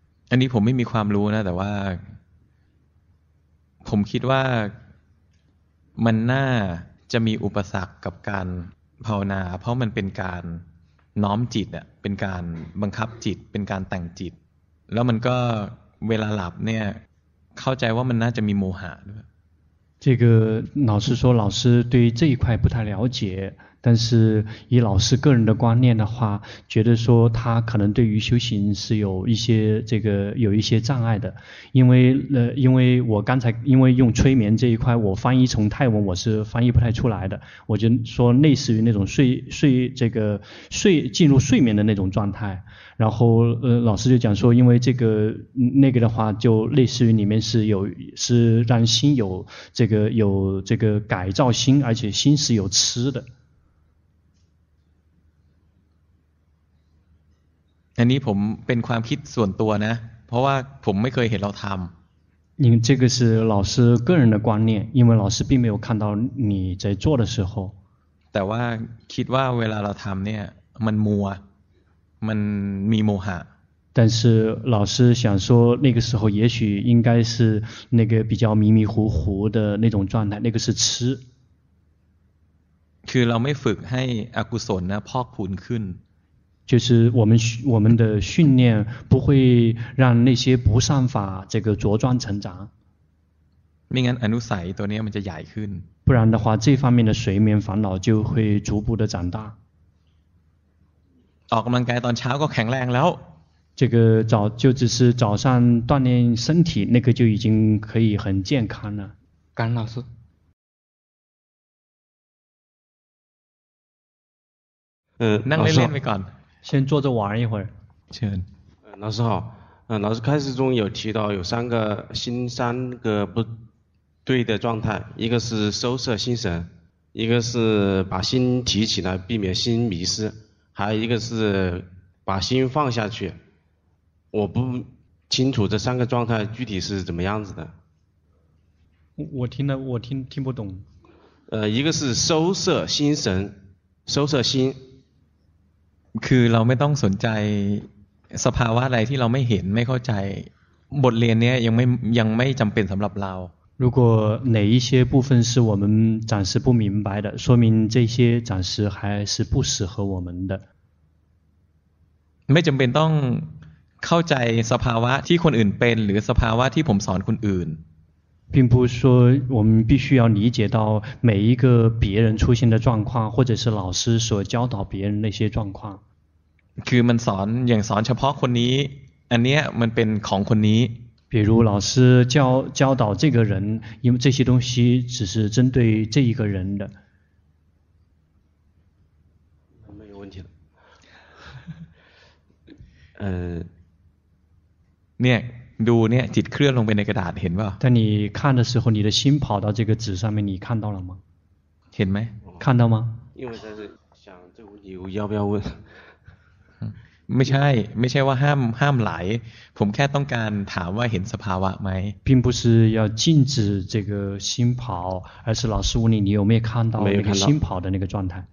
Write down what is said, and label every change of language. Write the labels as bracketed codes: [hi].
[th] อันนี้ผมไม่มีความรู้นะแต่ว่าผมคิดว่ามันน่าจะมีอุปสรรคกับการภาวนาเพราะมันเป็นการน้อมจิตอ่ะเป็นการบังคับจิตเป็นการแต่งจิตแล้วมันก็เวลาหลับเนี่ยเข้าใจว่ามันน่าจะมีโมหะด้วย [zh] 这个老师说老师对这一块不太了解但是以老师个人的观念的话觉得说他可能对于修行是有一些这个有一些障碍的因为用催眠这一块我翻译成泰文我是翻译不太出来的我就说类似于那种睡进入睡眠的那种状态然后老师就讲说因为这个那个的话就类似于里面是让心有这个改造心而且心是有吃的 [th] อันนี้ผมเป็นความคิดส่วนตัวนะเพราะว่าผมไม่เคยเห็นเราทำ [zh] นี่这个是老师个人的观念因为老师并没有看到你在做的时候 [th] แต่ว่าคิดว่าเวลาเราทำเนี่ยมันมัวมันมีโมหะ [zh] 但是老师想说那个时候也许应该是那个比较迷迷糊糊的那种状态那个是痴 [th] คือเราไม่ฝึกให้อกุศลนะพอกพูนขึ้น [zh] 就是我们的训练不会让那些不善法这个茁壮成长 [th] ไม่งั้นอนุสัยตัวนี้มันจะใหญ่ขึ้น [zh] 不然的话这方面的睡眠烦恼就会逐步的长大 [th] ออกกำลังกายตอนเช้าก็แข็งแรงแล้ว [zh] 这个早就只是早上锻炼身体那个就已经可以很健康了甘老师 [th] นั่งเล่นๆไปก่อน [zh] 先坐着玩一会儿请老师好老师开始中有提到有三个心三个不对的状态一个是收摄心神一个是把心提起来避免心迷失还有一个是把心放下去我不清楚这三个状态具体是怎么样子的我听不懂一个是收摄心神收摄心 [th] คือเราไม่ต้องสนใจสภาวะอะไรที่เราไม่เห็นไม่เข้าใจบทเรียนนี้ยังไม่จำเป็นสำหรับเรา [zh] 如果哪一些部分是我们暂时不明白的说明这些暂时还是不适合我们的 [th] ไม่จำเป็นต้องเข้าใจสภาวะที่คนอื่นเป็นหรือสภาวะที่ผมสอนคนอื่น [zh] 并不是说我们必须要理解到每一个别人出现的状况或者是老师所教导别人那些状况 [th] คือมันสอนอย่างสอนเฉพาะคนนี้อันเนี้ยมันเป็นของคนนี้ [zh] 比如老师教导这个人因为这些东西只是针对这一个人的没有问题了 [th] เนี่ยดูเนี่ยจิตเคลื่อนลงไปในกระดาษเห็นป่ะ [zh] ถ้า你看的时候你的心跑到这个纸上面你看到了吗 [th] เห็นไหม [zh] 看到吗因为在想这问题我要不要问 [th] ไม่ใช่ว่าห้ามไหลผมแค่ต้องการถามว่าเห็นสภาวะไหม [zh] 并不是要禁止这个心跑而是老师问你有没有看到那个心跑的那个状态